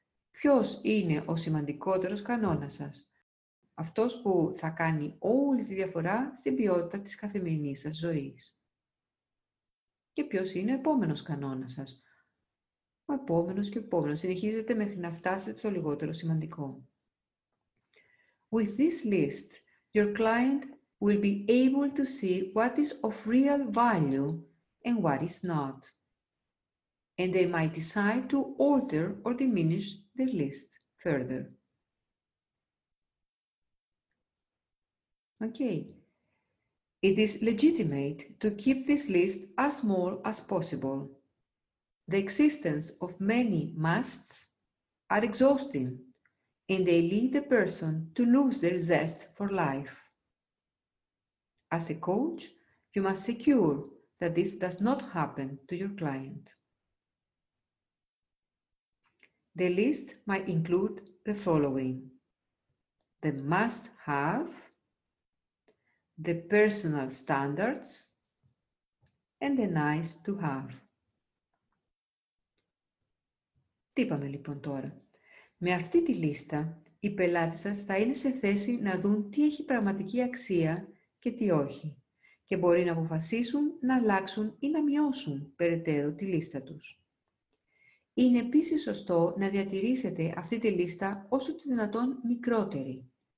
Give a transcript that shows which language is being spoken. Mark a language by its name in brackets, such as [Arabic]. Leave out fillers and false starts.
[Greek] Ποιος είναι ο σημαντικότερος κανόνας σας? Αυτός που θα κάνει όλη τη διαφορά στην ποιότητα της καθημερινής σας ζωής. Και ποιος είναι ο επόμενος κανόνας σας? Ο επόμενος και ο επόμενος. Συνεχίζετε μέχρι να φτάσετε στο λιγότερο σημαντικό. [English] With this list, your client will be able to see what is of real value and what is not. And they might decide to alter or diminish their list further. Okay. It is legitimate to keep this list as small as possible. The existence of many musts are exhausting and they lead the person to lose their zest for life. As a coach, you must secure that this does not happen to your client. The list might include the following: the must-have, the personal standards, and the nice-to-have. [Greek] Τι είπαμε λοιπόν τώρα. Με αυτή τη λίστα, οι πελάτες σας θα είναι σε θέση να δουν τι έχει πραγματική αξία και τι όχι. Και μπορεί να αποφασίσουν να αλλάξουν ή να μειώσουν περαιτέρω τη λίστα τους. Είναι επίσης σωστό να διατηρήσετε αυτή τη λίστα όσο το δυνατόν μικρότερη.